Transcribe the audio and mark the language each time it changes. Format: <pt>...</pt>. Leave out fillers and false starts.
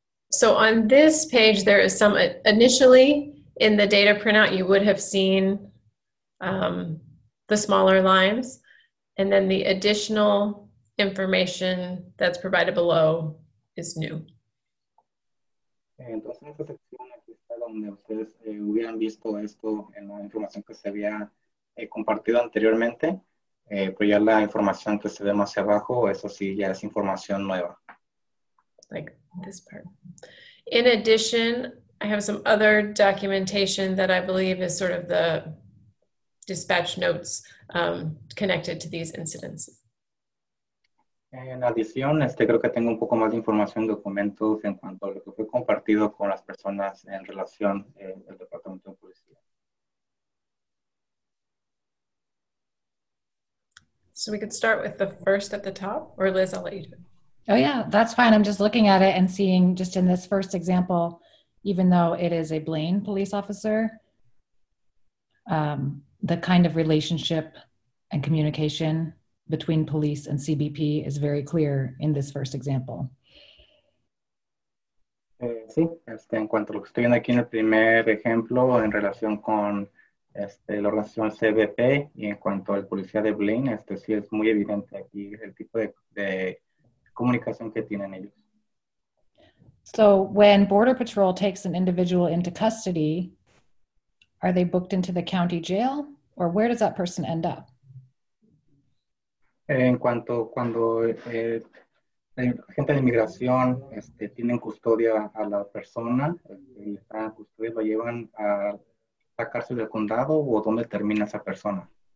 <en>So on this page, there is some, initially in the data printout, you would have seen the smaller lines, and then the additional information that's provided below is new.</en> <es>Entonces, esta sección aquí está donde ustedes hubieran visto esto en la información que se había compartido anteriormente, pero ya la información que se ve más abajo, eso sí, ya es información nueva.</es> <en>Like this part. In addition, I have some other documentation that I believe is sort of the dispatch notes connected to these incidents.</en> <es>En adición, creo que tengo un poco más de información, documentos en cuanto a lo que fue compartido con las personas en relación al Departamento de Policía.</es> <en>So we could start with the first at the top, or Liz, I'll let you do it. Oh yeah, that's fine. I'm just looking at it and seeing just in this first example, even though it is a Blaine police officer, the kind of relationship and communication between police and CBP is very clear in this first example.</en> <es>Sí, en cuanto a lo que estoy viendo aquí en el primer ejemplo, en relación con la organización CBP y en cuanto al policía de Blaine, sí es muy evidente aquí el tipo de comunicación que tienen ellos.</es> <en>So when Border Patrol takes an individual into custody, are they booked into the county jail? Or where does that person end up?</en> <es>En cuanto cuando la gente de inmigración tienen custodia a la persona, están en custodia, lo llevan a la cárcel del condado o dónde termina esa persona?</es>